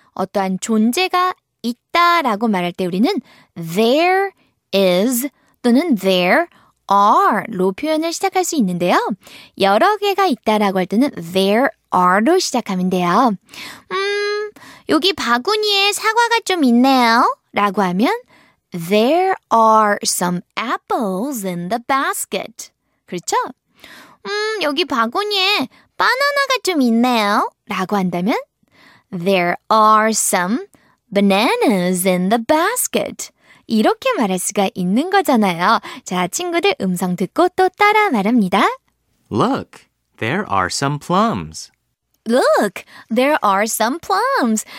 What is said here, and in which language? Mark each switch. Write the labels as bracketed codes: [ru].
[ko] 어떠한 존재가 있다 라고 말할 때 우리는 [en] there is [ko] 또는 [en] there are [ko] 로 표현을 시작할 수 있는데요. 여러 개가 있다 라고 할 때는 [en] there are [ko] 로 시작하면 돼요. 여기 바구니에 사과가 좀 있네요 라고 하면 [en] there are some apples in the basket. [ko] 그렇죠? 여기 바구니에 바나나가 좀 있네요 라고 한다면 [en] There are some bananas in the basket. [ko] 이렇게 말할 수가 있는 거잖아요. 자, 친구들 음성 듣고 또 따라 말합니다. [en] Look, there are some plums. Look, there are some plums.